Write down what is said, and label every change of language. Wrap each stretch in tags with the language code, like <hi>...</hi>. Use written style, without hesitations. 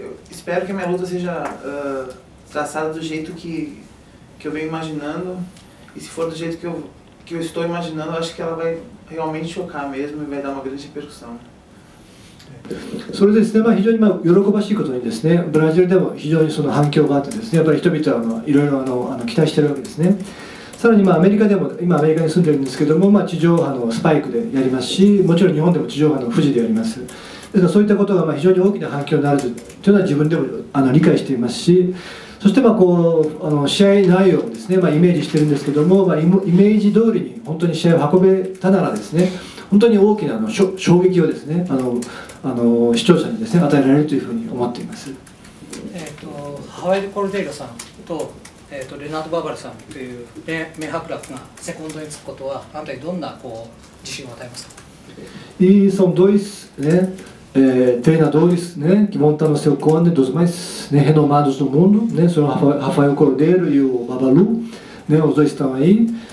<pt>Espero que a minha luta seja traçada do jeito que eu venho imaginando. E se for do jeito que eu estou imaginando, eu acho que ela vai realmente chocar mesmo e vai dar uma grande repercussão.</pt> <ja>それですね、まあ、非常にまあ喜ばしいことにですね、ブラジルでも非常にその反響があってですね、やっぱり人々はいろいろ期待しているわけですね。さらにまあアメリカでも、今アメリカに住んでるんですけども、まあ、地上波のスパイクでやりますし、もちろん日本でも地上波の富士でやります。そういったことが非常に大きな反響になるというのは自分でも理解していますし、そしてまあこう試合内容をですね、まあ、イメージしているんですけども、まあ、イメージ通りに本当に試合を運べたならですね、本当に大きな衝撃をですね、視聴者にですね、与えられるというふうに思っています。ハワイル・コルデイロさんと、レナード・バーバルさんという名伯楽がセコンドに着くことは、あなたにどんなこう自信を与えますか？</ja> <pt>E são dois, né, treinadores, né, que montaram o seu conde dos mais, né, renomados do mundo, né, são Rafael Cordeiro e o Babalu, né, os dois estão aí.</pt>